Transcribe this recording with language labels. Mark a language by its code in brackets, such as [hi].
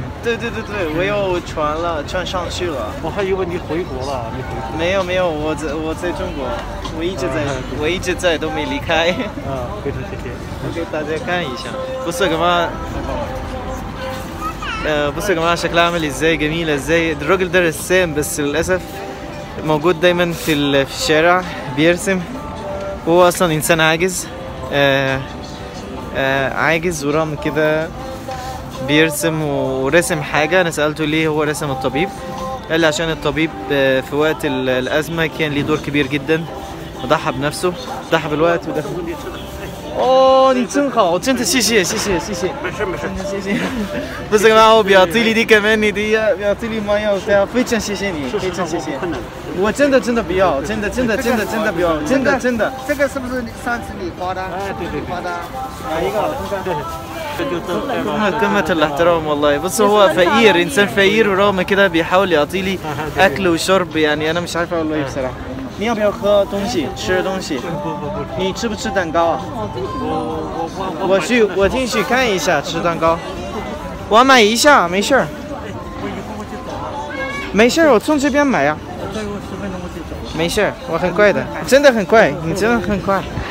[zh] 对，我又传上去了。我还以为你回国了，你回国？没有没有，我在中国，我一直在，我一直在，都没离开。非常谢谢。我给大家看一下，不是干嘛？ [ar] بصوا يا جماعه شكلها عامل ازاي، جميله ازاي. الراجل ده رسام بس للاسف موجود دايما في الشارع بيرسم، وهو اصلا انسان عاجز، ورغم كده بيرسم ورسم حاجه. انا سالته ليه هو رسم الطبيب، قال لي عشان الطبيب في وقت الازمه كان ليه دور كبير جدا، ضحى بنفسه، ضحى بالوقت وده. [zh] 你真好，真的谢谢谢谢谢谢。没事，不是干嘛，我表弟弟跟妹妹的呀，表弟弟没有，非常谢谢你，非常谢谢。我真的真的不要，真的不要，真的真的。这个是不是上次你发的？哎，对，发的。哪一个？ [ar] قمة الاحترام والله. بس هو فقير، إنسان فقير، ورغم كده بيحاول يعطي لي أكل وشرب، يعني أنا مش عارف والله بصراحة. [zh] 你要不要喝东西吃东西？不，你吃不吃蛋糕啊？我进去看一下吃蛋糕，我买一下，没事儿。我以后我就走了。没事儿，我从这边买呀。再过十分钟我就走了。没事儿，我很快的，真的很快，你真的很快。